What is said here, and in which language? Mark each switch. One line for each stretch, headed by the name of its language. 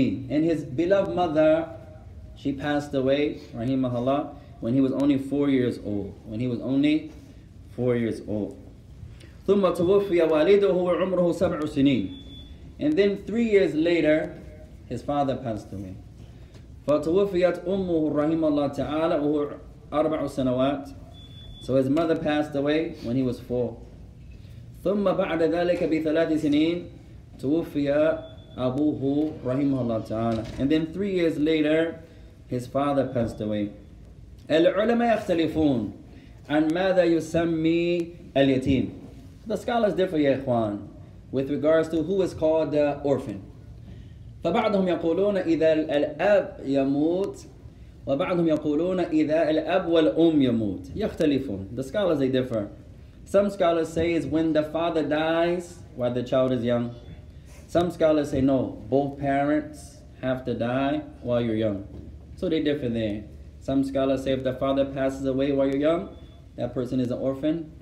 English: And his beloved mother, she passed away, rahimahullah, when he was only 4 years old. When he was only 4 years old.
Arabic: ثم توفي والده وعمره سبع سنين.
English: And then 3 years later, his father passed away.
Arabic: فتوفيت أمه رحمه الله تعالى وهو أربع سنوات.
English: So his mother passed away when he was 4.
Arabic: ثم بعد ذلك بثلاث سنين توفي أبوه رحمه الله تعالى.
English: And then 3 years later, his father passed away.
Arabic: العلماء يختلفون عن ماذا يسمى اليتيم.
English: The scholars differ, يا إخوان, with regards to who is called the orphan.
Arabic: فبعضهم يقولون إذا الأب يموت وبعضهم يقولون إذا الأب والأم يموت يختلفون.
English: The scholars, they differ. Some scholars say it's when the father dies while the child is young. Some scholars say no, both parents have to die while you're young. So they differ there. Some scholars say if the father passes away while you're young, that person is an orphan.